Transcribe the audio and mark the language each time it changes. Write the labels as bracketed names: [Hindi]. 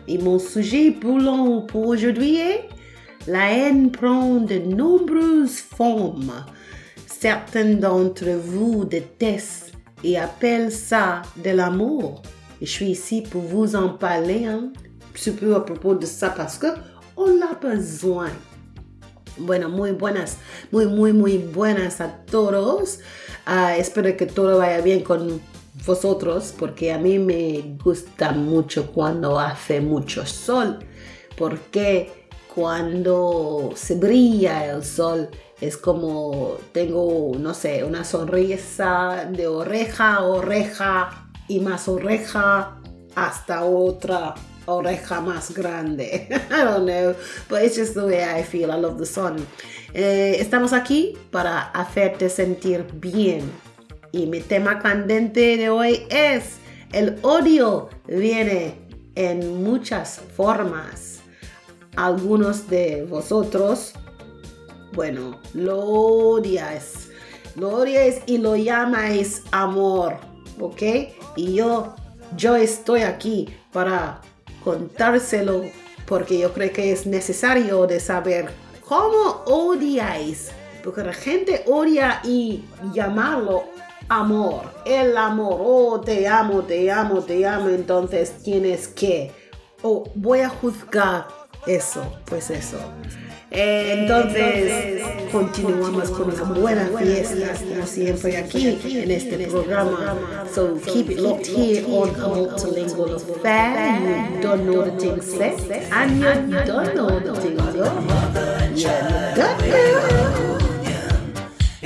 [French] Et mon sujet brûlant pour aujourd'hui est la haine prend de nombreuses formes. Certains d'entre vous détestent et appellent ça de l'amour. Et je suis ici pour vous en parler un petit peu à propos de ça parce que on l'a besoin. [Spanish] Bueno, muy buenas a todos. Espero que todo vaya bien con vosotros, porque a mí me gusta mucho cuando hace mucho sol, porque cuando se brilla el sol es como tengo, no sé, una sonrisa de oreja a oreja y más oreja hasta otra oreja más grande. [English] I don't know, but it's just the way I feel. I love the sun. [Spanish] Estamos aquí para hacerte sentir bien. Y mi tema candente de hoy es el odio viene en muchas formas. Algunos de vosotros, bueno, lo odiáis y lo llamáis amor, ¿ok? y yo estoy aquí para contárselo porque yo creo que es necesario de saber cómo odiáis, porque la gente odia y llamarlo amor, el amor, oh, te amo, te amo, te amo, entonces tienes que, voy a juzgar eso, pues eso. Entonces continuamos con una buena fiesta, como siempre aquí en este programa. [English] So keep it locked here on Multilingual Affair. You don't know the thing set, and you don't know the thing you're